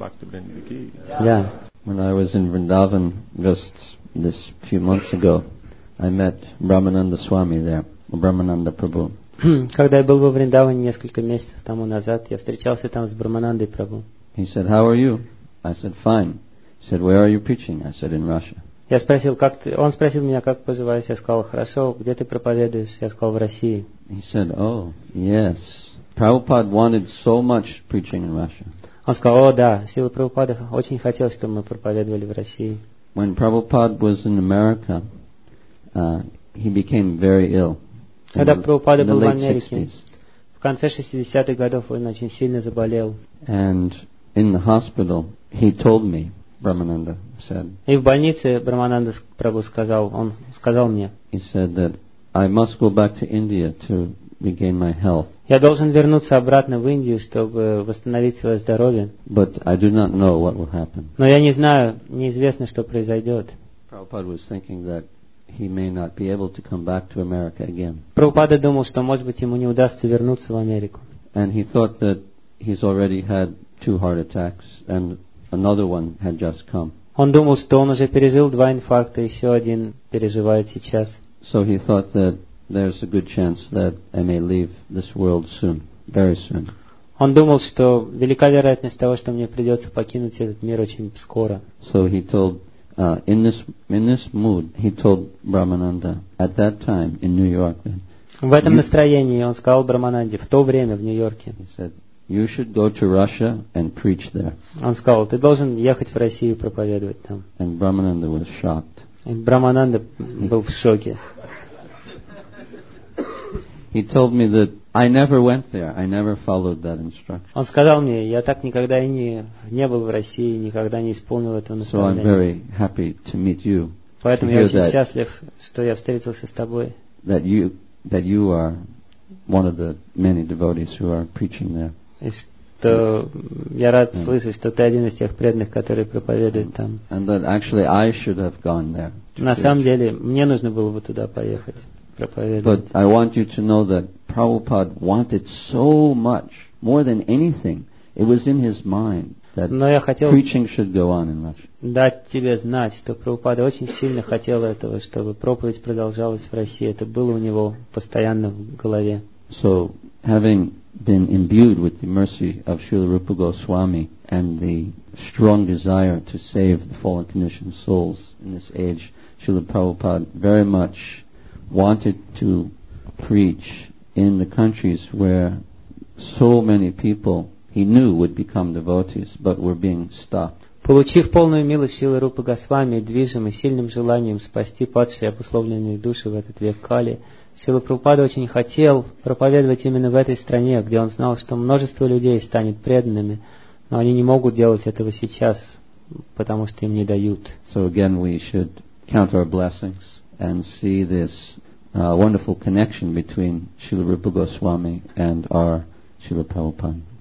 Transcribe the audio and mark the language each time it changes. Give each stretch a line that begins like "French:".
English: When I was in Vrindavan just this few months ago, I met Brahmananda Swami there, Brahmananda Prabhu.
Russian: Когда я был во Вриндаване несколько месяцев тому назад, я встречался там с Брахманандой Прабху.
English: He said, "How are you?" I said, "Fine." He said, "Where are you preaching?" I said, "In Russia."
Russian: Я спросил, как ты? Он спросил меня, как поживаешь. Я сказал, "Хорошо." Где ты проповедуешь? Я сказал, "В России."
English: He said, "Oh, yes." Prabhupada wanted so much preaching in Russia.
Russian: Он сказал, "О, да. Сила Прабхупада очень хотел, чтобы мы проповедовали в России."
English: When Prabhupada was in America, he became very ill.
Russian: Когда Прабхупада был в Америке, в конце 60-х годов он очень сильно заболел.
English: And in the hospital, he told me Brahmananda said.
Russian: И в больнице Брамананда Прабху сказал, он сказал мне.
English: He said that I must go back to India to regain my health.
Russian: Я должен вернуться обратно в Индию, чтобы восстановить свое здоровье.
English: But I do not know what will happen.
Russian: Но я не знаю, неизвестно, что произойдет.
English: Prabhupada was thinking that he may not be able to come back to America again.
Russian: Прабхупада думал, что может быть ему не удастся вернуться в Америку.
English: And he thought that he's already had two heart attacks and another one had just come.
Russian: Он думал, что он уже пережил два инфаркта, еще один переживает сейчас.
English: So he thought that there's a good chance that I may leave this world soon, very soon.
Russian: Он думал, что велика вероятность того, что мне придется покинуть этот мир очень скоро.
English: So he told in this mood, he told Brahmananda at that time in New York.
Russian: В этом настроении он сказал Брамананде в то время в Нью-Йорке.
English: He said, "You should go to Russia and preach there."
Russian: Он сказал, ты должен ехать в Россию проповедовать там.
English: And Brahmananda was shocked.
Russian: И Брамананда был в шоке.
English: He told me that I never went there. I never followed that instruction.
Russian: Он сказал мне, я так никогда и не был в России, никогда не исполнил этого наставления.
English: So I'm very happy to meet you.
Russian: Поэтому я очень счастлив, что я встретился с тобой.
English: That you are one of the many devotees who are preaching there.
Russian: И что я рад слышать, что ты один из тех преданных, которые проповедуют там.
English: And that actually I should have gone there.
Russian: На самом деле, мне нужно было бы туда поехать.
English: But I want you to know that Prabhupada wanted so much, more than anything, it was in his mind that preaching should go on in Russia.
Russian: Дать тебе знать, что Прабхупада очень сильно хотел этого, чтобы проповедь продолжалась в России. Это было у него постоянно в голове.
English: So, having been imbued with the mercy of Srila Rupa Goswami and the strong desire to save the fallen conditioned souls in this age, Srila Prabhupada very much wanted to preach in the countries where so many people he knew would become devotees but were being stopped.
Russian: Получив полную милость силы Рупы Госвами, движимый сильным желанием спасти падшие обусловленные души в этот век Кали, Сила Прабхупада очень хотел проповедовать именно в этой стране, где он знал, что множество людей станет преданными, но они не могут делать этого сейчас, потому что им не дают.
English: So again we should count our blessings and see this wonderful connection between Srila Rupa Goswami and our Srila Prabhupada.